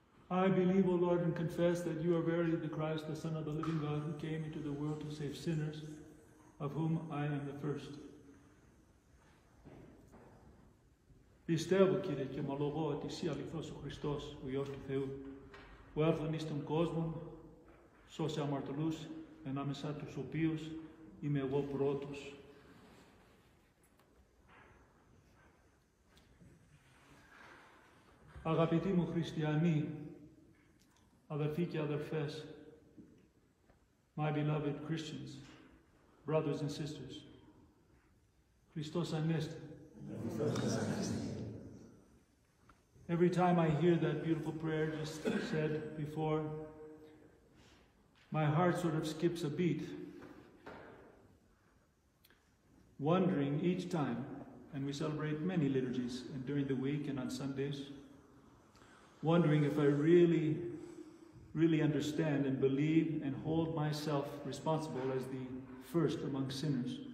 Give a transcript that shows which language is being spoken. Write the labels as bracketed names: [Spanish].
[English] I believe, O Lord, and confess that you are verily the Christ, the Son of the living God, who came into the world to save sinners, of whom I am the first. [Greek] Πιστεύω, Κύριε, και ομολογώ ότι εσύ αληθώς ο Χριστός, ο Υιός του Θεού, που έρθαν εις τον κόσμο, σώσε αμαρτωλούς, ανάμεσα τους οποίους είμαι εγώ πρώτος. Αγαπητοί μου χριστιανοί, αδερφοί και αδερφές, [English] my beloved Christians, brothers and sisters, [Greek] Χριστός Ανέστη. [English] Every time I hear that beautiful prayer just said before, my heart sort of skips a beat, wondering each time, and we celebrate many liturgies and during the week and on Sundays, wondering if I really, really understand and believe and hold myself responsible as the first among sinners.